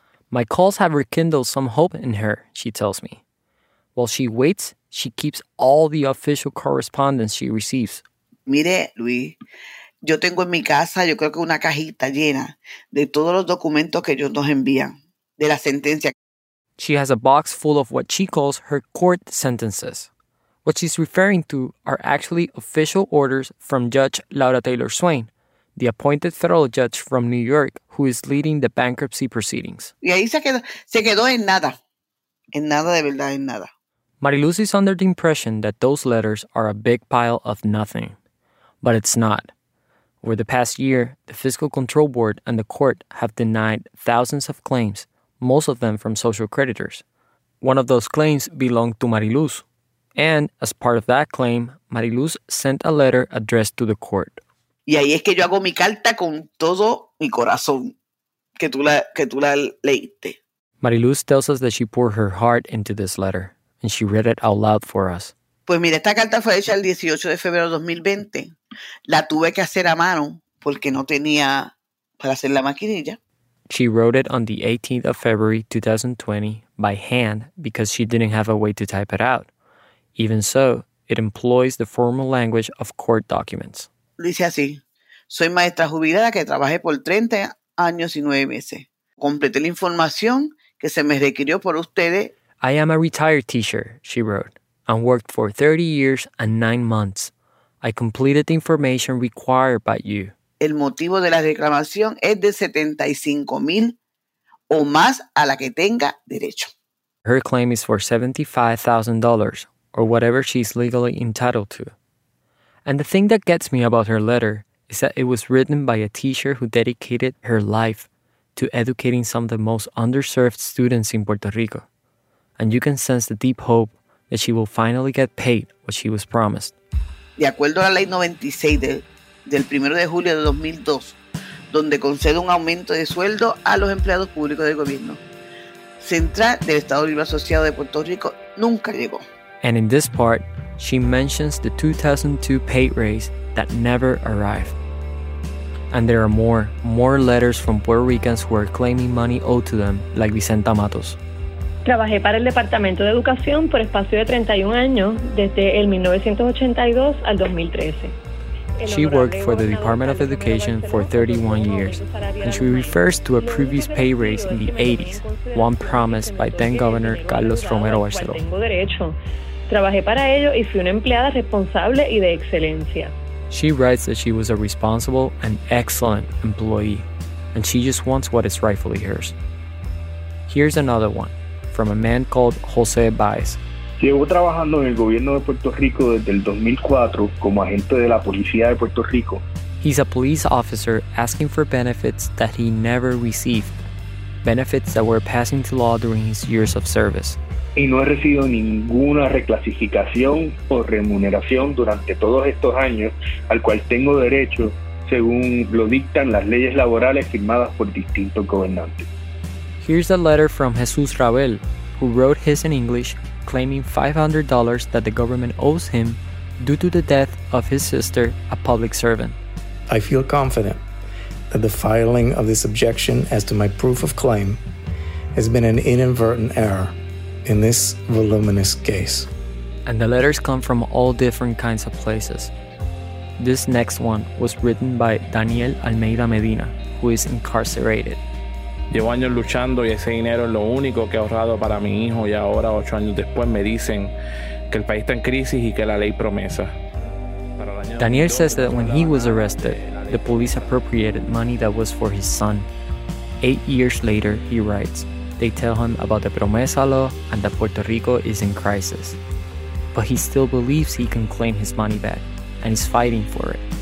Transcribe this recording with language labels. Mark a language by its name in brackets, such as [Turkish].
[English] My calls have rekindled some hope in her, she tells me. While she waits, she keeps all the official correspondence she receives. [Spanish] Mire, Luis, yo tengo en mi casa, yo creo que una cajita llena de todos los documentos que ellos nos envían, de la sentencia. [English] She has a box full of what she calls her court sentences. What she's referring to are actually official orders from Judge Laura Taylor Swain, the appointed federal judge from New York who is leading the bankruptcy proceedings. [Spanish] Y ahí se quedó en nada. En nada de verdad, en nada. [English] Mariluz is under the impression that those letters are a big pile of nothing. But it's not. Over the past year, the Fiscal Control Board and the court have denied thousands of claims, most of them from social creditors. One of those claims belonged to Mariluz. And as part of that claim, Mariluz sent a letter addressed to the court. [Spanish] Y ahí es que yo hago mi carta con todo mi corazón, que tú la leíste. [English] Mariluz tells us that she poured her heart into this letter, and she read it out loud for us. [Spanish] Pues mira, esta carta fue hecha el 18 de febrero 2020. La tuve que hacer a mano porque no tenía para hacer la maquinilla. She wrote it on the 18th of February 2020 by hand because she didn't have a way to type it out. [English] Even so, it employs the formal language of court documents. [Spanish] Dice así, soy maestra jubilada que trabajé por 30 años y 9 meses. Completé la información que se me requirió por ustedes. [English] I am a retired teacher, she wrote, and worked for 30 years and 9 months. I completed the information required by you. [Spanish] El motivo de la reclamación es de 75,000 o más a la que tenga derecho. [English] Her claim is for $75,000. Or whatever she's legally entitled to. And the thing that gets me about her letter is that it was written by a teacher who dedicated her life to educating some of the most underserved students in Puerto Rico. And you can sense the deep hope that she will finally get paid what she was promised. [Spanish] De acuerdo a la ley 96 del 1 de julio de 2002, donde concede un aumento de sueldo a los empleados públicos del gobierno central del Estado Libre Asociado de Puerto Rico, nunca llegó. [English] And in this part, she mentions the 2002 pay raise that never arrived. And there are more letters from Puerto Ricans who are claiming money owed to them, like Vicenta Matos. [Spanish] Trabajé para el Departamento de Educación por espacio de 31 años, desde el 1982 al 2013. [English] She worked for the Department of Education for 31 years, and she refers to a previous pay raise in the 80s, one promised by then-Governor Carlos Romero Barceló. [Spanish] Trabajé para ello y fui una empleada responsable y de excelencia. [English] She writes that she was a responsible and excellent employee, and she just wants what is rightfully hers. Here's another one, from a man called José Baez. [Spanish] Llevo trabajando en el gobierno de Puerto Rico desde el 2004 como agente de la policía de Puerto Rico. [English] He's a police officer asking for benefits that he never received, benefits that were passing to law during his years of service. [Spanish] Y no he recibido ninguna reclasificación o remuneración durante todos estos años al cual tengo derecho según lo dictan las leyes laborales firmadas por distintos gobernantes. [English] Here's a letter from Jesús Ravel, who wrote his in English, claiming $500 that the government owes him due to the death of his sister, a public servant. I feel confident that the filing of this objection as to my proof of claim has been an inadvertent error in this voluminous case. And the letters come from all different kinds of places. This next one was written by Daniel Almeida Medina, who is incarcerated. [Spanish] Llevo años luchando y ese dinero es lo único que he ahorrado para mi hijo y ahora, 8 años después, me dicen que el país está en crisis y que la ley promesa. [English] Daniel says that when he was arrested, the police appropriated money that was for his son. 8 years later, he writes, they tell him about the promesa law and that Puerto Rico is in crisis. But he still believes he can claim his money back and is fighting for it.